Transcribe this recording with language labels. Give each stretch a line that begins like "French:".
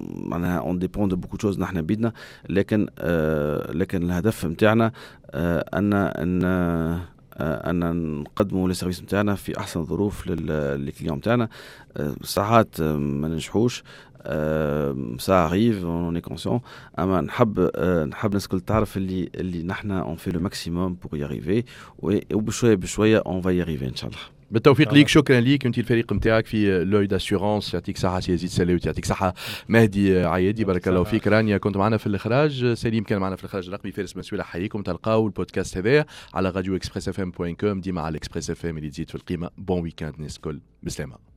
Arabic: معناها
French: اون ديبون دو بوكو تشوز
Arabic: نحنا بيدنا لكن الهدف نتاعنا ان نقدموا لي سيرفيس نتاعنا في احسن ظروف للي كليون نتاعنا ساعات ما ننجحوش
French: ça arrive, on est conscient. Nous avons le tarif qui nous fait le maximum pour y arriver. Et on va y arriver, Inch'Allah.
Arabic: بالتوفيق ليك. شكرا ليك. انت الفريق نتاعك في لوي داسورانس يعطيك صحه سي زيد سلاو، يعطيك صحه مهدي عيادي، بارك الله فيك. رانيا كنت معنا في الاخراج، سليم كان معنا في الاخراج الرقمي، فارس مسؤول حيكم. تلقاو البودكاست هذا على راديو اكسبريس اف ام بوين كوم، ديما على اكسبريس اف ام اللي تزيد في القيمه. بون ويكاند ناس كل، بالسلامه.